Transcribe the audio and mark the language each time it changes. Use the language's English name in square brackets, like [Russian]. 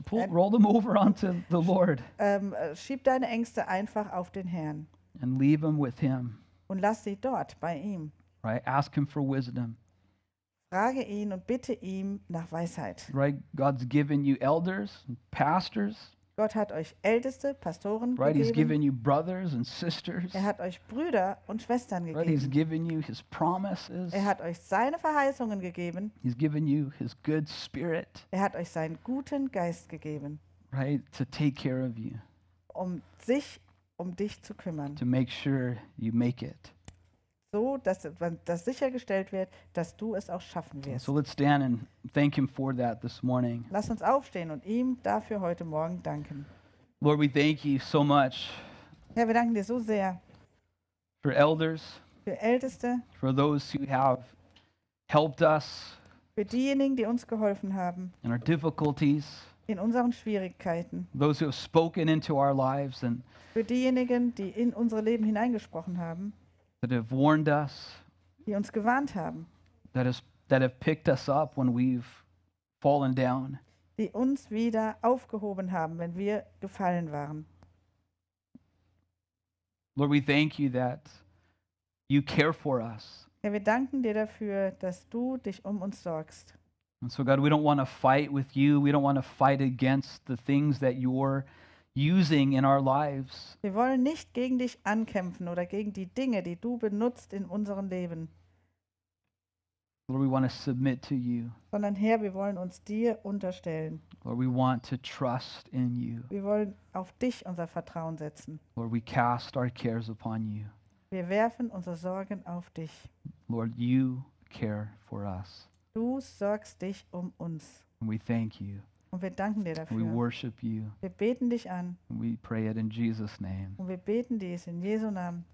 [English] Roll them over onto the Lord. [German] Schieb deine Ängste einfach auf den Herrn. [English] And leave them with him. [German] Und lass sie dort bei ihm. [English] Right, ask him for wisdom. [German] Frage ihn und bitte ihm nach Weisheit. [English] Right, God's given you elders, pastors. [German] Gott hat euch Älteste, Pastoren [English] right, [German] gegeben. [English] He's given you brothers and sisters. [German] Er hat euch Brüder und Schwestern gegeben. [English] Right, he's given you his promises. [German] Er hat euch seine Verheißungen gegeben. [English] He's given you his good spirit. [German] Er hat euch seinen guten Geist gegeben. [English] Right, to take care of you. [German] Um sich um dich zu kümmern. [English] To make sure you make it. [German] So, dass das sichergestellt wird, dass du es auch schaffen wirst. [English] So let's stand and thank him for that this morning. [German] Lass uns aufstehen und ihm dafür heute Morgen danken. [English] Lord, we thank you so much. [German] Herr, wir danken dir so sehr. [English] For elders. [German] Für Älteste. [English] For those who have helped us. [German] Für diejenigen, die uns geholfen haben. [English] In our difficulties. [German] In unseren Schwierigkeiten. [English] Those who have spoken into our lives and. [German] Für diejenigen, die in unsere Leben hineingesprochen haben. [English] That have warned us, [German] die uns gewarnt haben, [English] that have picked us up when we've fallen down, [German] die uns wieder aufgehoben haben, wenn wir gefallen waren. [English] Lord, we thank you that you care for us. [German] Herr, wir danken dir dafür, dass du dich um uns sorgst. [English] And so, God, we don't want to fight with you. We don't want to fight against the things that you're using in our lives. [German] Wir wollen nicht gegen dich ankämpfen oder gegen die Dinge, die du benutzt in unserem Leben. [English] Lord, we want to submit to you. [German] Sondern Herr, wir wollen uns dir unterstellen. [English] Lord, we want to trust in you. [German] Wir wollen auf dich unser Vertrauen setzen. [English] Lord, we cast our cares upon you. [German] Wir werfen unsere Sorgen auf dich. [English] Lord, you care for us. [German] Du sorgst dich um uns. [English] And we thank you. [German] Und wir danken dir dafür. [English] We worship you. [German] Wir beten dich an. [English] We pray it in Jesus name. [German] Und wir beten dies in Jesu Namen.